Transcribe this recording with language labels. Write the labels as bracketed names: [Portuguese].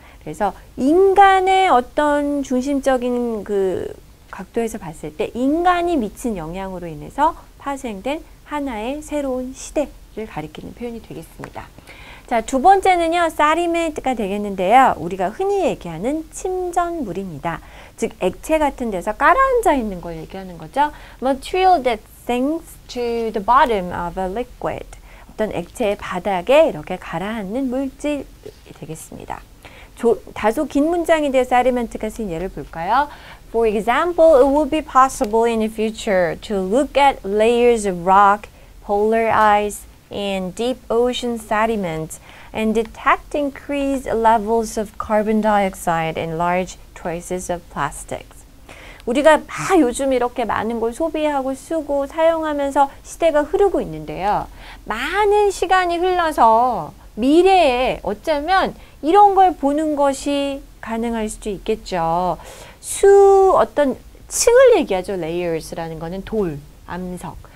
[Korean] 그래서 인간의 어떤 중심적인 그 각도에서 봤을 때 인간이 미친 영향으로 인해서 파생된 하나의 새로운 시대를 가리키는 표현이 되겠습니다. 자, 두 번째는요, sediment가 되겠는데요. 우리가 흔히 얘기하는 침전물입니다. 즉, 액체 같은 데서 가라앉아 있는 걸 얘기하는 거죠. [English] Material that sinks to the bottom of a liquid. [Korean] 어떤 액체의 바닥에 이렇게 가라앉는 물질이 되겠습니다. 다소 긴 문장이 돼서 sediment가 쓴 예를 볼까요? [English] For example, it would be possible in the future to look at layers of rock, polar ice, in deep ocean sediments and detect increased levels of carbon dioxide and large traces of plastics. [Korean] 우리가 막 요즘 이렇게 많은 걸 소비하고 쓰고 사용하면서 시대가 흐르고 있는데요. 많은 시간이 흘러서 미래에 어쩌면 이런 걸 보는 것이 가능할 수도 있겠죠. 어떤 층을 얘기하죠. layers라는 거는 돌, 암석.